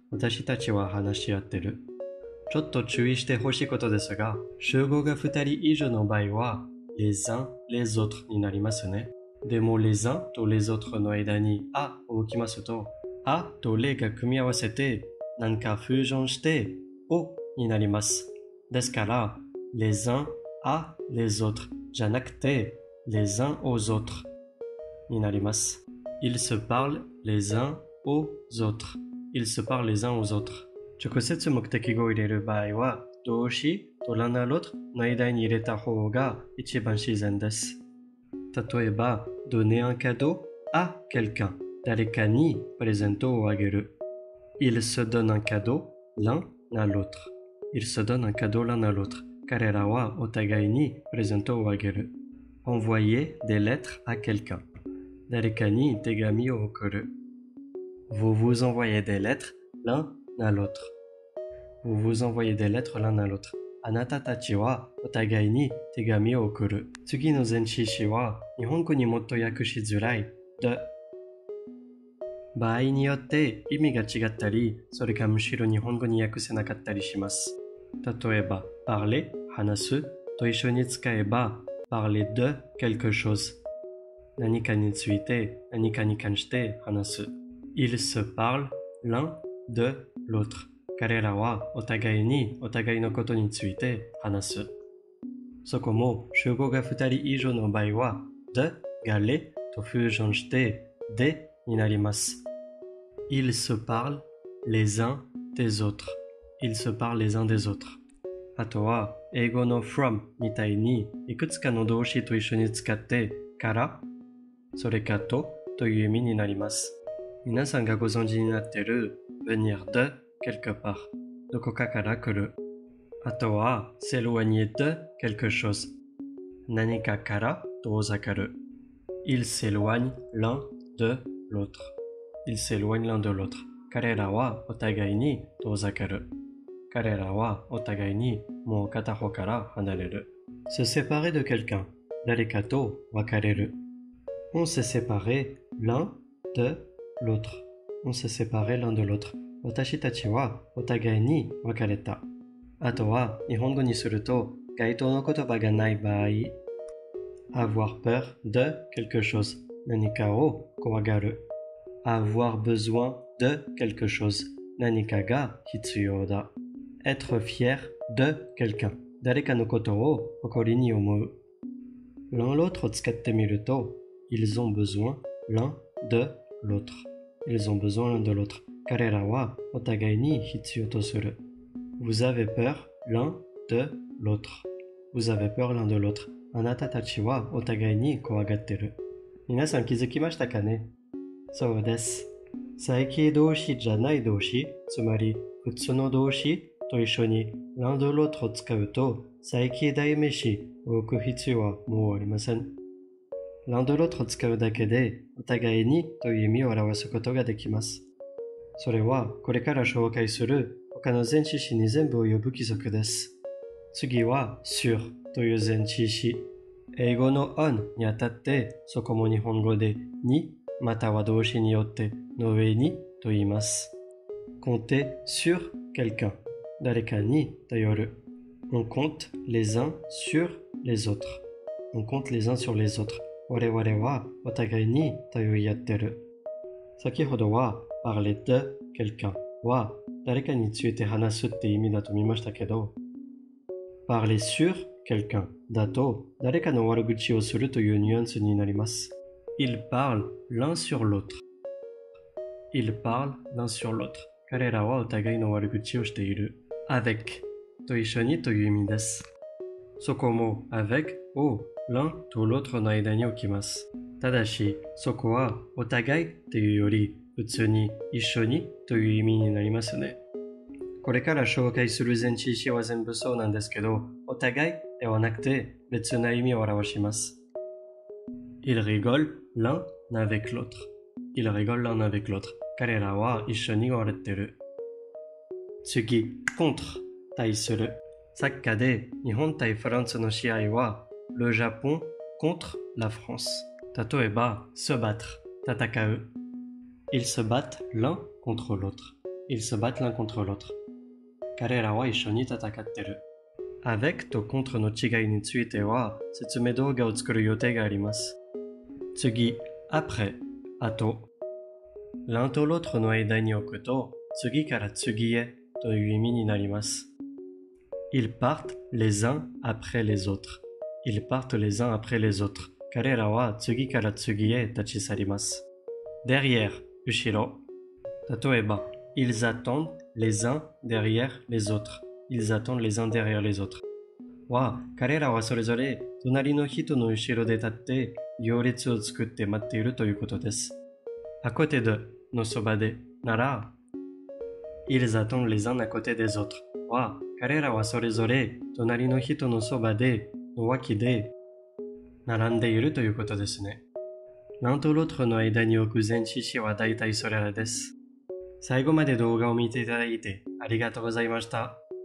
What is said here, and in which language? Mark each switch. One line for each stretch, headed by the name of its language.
Japanese: 私たちは話し合ってる。ちょっと注意してほしいことですが、集合が2人以上の場合は、
French: les uns les autres
Japanese: になりますね。でも、les uns と les autres の間に、あを置きますと、あと les が組み合わせて、なんかフュージョンして、をになります。ですから、
French: les uns à les autres
Japanese: じゃなくて、
French: les uns aux autres
Japanese: になります。
French: Ils se parlent les uns aux autres. Ils se parlent les uns aux autres.
Japanese: 直接目的語を入れる場合は、動詞と
French: l'un à l'autre
Japanese: の間に入れた方が一番自然です。例えば、
French: donner un cadeau à quelqu'un、
Japanese: 誰かにプレゼントをあげる。
French: Ils se donnent un cadeau l'un à l'autre。 Ils se donnent un cadeau l'un à l'autre。
Japanese: 彼らはお互いにプレゼントをあげる。
French: Envoyer des lettres à quelqu'un。
Japanese: 誰かに手紙を送る。
French: Vous vous envoyez des lettres l'un à l'autre。 Vous vous envoyez des lettres l'un à l'autre。
Japanese: あなたたちはお互いに手紙を送る。次の前置詞は日本語にもっと訳しづらい、で。場合によって意味が違ったり、それかむしろ日本語に訳せなかったりします。例えば、parler、話すと一緒に使えば、
French: parler de quelque chose。
Japanese: 何かについて、何かに関して話す。
French: Ils se parlent l'un de l'autre。
Japanese: 彼らはお互いにお互いのことについて話す。そこも集合が2人以上の場合は、de が les とフュージョンして、でになります。
French: Ils se parlent les uns des autres. Ils se parlent les uns des autres.
Japanese: あとは、英語の from みたいに、いくつかの動詞と一緒に使って、から、それかとという意味になります。皆さんがご存知になっている、
French: venir de、quelque part、
Japanese: どこかから来る。あとは、
French: s'éloigner de quelque chose、
Japanese: 何かから遠ざかる。
French: Ils s'éloignent l'un de l'autre。 Ils s'éloignent l'un de l'autre。
Japanese: 彼らはお互いに遠ざかる。彼らはお互いにもう片方から離れる。
French: Se séparer de quelqu'un、
Japanese: 誰かと別れる。
French: On s'est séparé l'un de l'autre。 On s'est séparé l'un de l'autre。
Japanese: 私たちはお互いに別れた。あとは日本語にすると該当の言葉がない場合、
French: avoir peur de quelque chose、
Japanese: 何かを怖がる。
French: avoir besoin de quelque chose、
Japanese: 何かが必要だ。
French: être fier de quelqu'un、
Japanese: 誰かのことを誇りに思う。
French: l'un l'autre
Japanese: を使ってみると、
French: ils ont besoin l'un de l'autre、ils ont besoin l'un de l'autre。
Japanese: 彼らはお互いに必要とする。
French: Vous avez peur l'un de l'autre. Vous avez peur l'un de l'autre.
Japanese: あなたたちはお互いに怖がってる。皆さん気づきましたかね?そうです。再起動詞じゃない動詞、つまり普通の動詞と一緒に
French: l'un de l'autre
Japanese: を使うと再起代名詞を置く必要はもうありません。
French: l'un de l'autre
Japanese: を使うだけでお互いにという意味を表すことができます。それはこれから紹介する他の前置詞に全部及ぶ規則です。次は sur という前置詞、英語の on にあたってそこも日本語でにまたは動詞によっての上にと言います。
French: compter sur quelqu'un、
Japanese: 誰かに頼る。
French: on compte les uns sur les autres、 on compte les uns sur les autres、
Japanese: 我々はお互いに頼り合ってる。先ほどは
French: parler de quelqu'un
Japanese: は誰かについて話すって意味だと見ましたけど、
French: parler sur quelqu'un
Japanese: だと誰かの悪口をするというニュアンスになります。
French: Ils parlent l'un sur l'autre. Ils parlent l'un sur l'autre.
Japanese: 彼らはお互いの悪口をしている。Avec と一緒にという意味です。そこも avec を l'un と l'autre の間に置きます。ただし、そこはお互いというより普通に一緒にという意味になりますね。これから紹介する前置詞は全部そうなんですけど、お互いではなくて別な意味を表します。
French: Ils rigolent l'un avec l'autre. Ils rigolent l'un avec l'autre.
Japanese: 彼らは一緒に笑ってる。次、contre、対する。サッカーで日本対フランスの試合は
French: Le Japon contre la France。
Japanese: 例えば、se battre、戦う。
French: Ils se battent l'un contre l'autre. Ils se battent l'un contre l'autre.
Japanese: 彼らは一緒に戦ってる。Avec と contre の違いについては説明動画を作る予定があります。次、après、後。 l'un と l'autre の間に置くと、次から次へという意味になります。
French: Ils partent les uns après les autres. Ils partent les uns après les autres.
Japanese: 彼らは次から次へ立ち去ります。derrière、後ろ。例えば、
French: ils attendent les uns derrière les autres. Ils attendent les uns derrière les autres.
Japanese: わ、彼らはそれぞれ隣の人の後ろで立って行列を作って待っているということです。
French: À côté de
Japanese: のそばでなら、
French: Ils attendent les uns à côté des autres.
Japanese: わ、彼らはそれぞれ隣の人のそばでの脇で並んでいるということですね。 l'un と l'autre の間に置く前置詞は大体それらです。最後まで動画を見ていただいてありがとうございました。